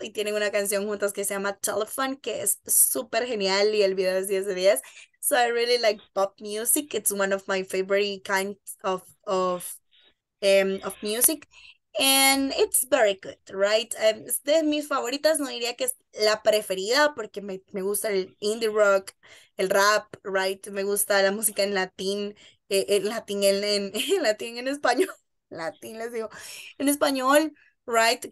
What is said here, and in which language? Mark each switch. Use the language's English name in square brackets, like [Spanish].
[Spanish] Y tienen una canción juntas que se llama Telephone, que es súper genial, y el video es 10 de 10. [English] So I really like pop music. It's one of my favorite kinds of music. And it's very good, right? [Spanish] Es de mis favoritas, no diría que es la preferida, porque me gusta el indie rock, el rap, right? Me gusta la música en latín, en español, right?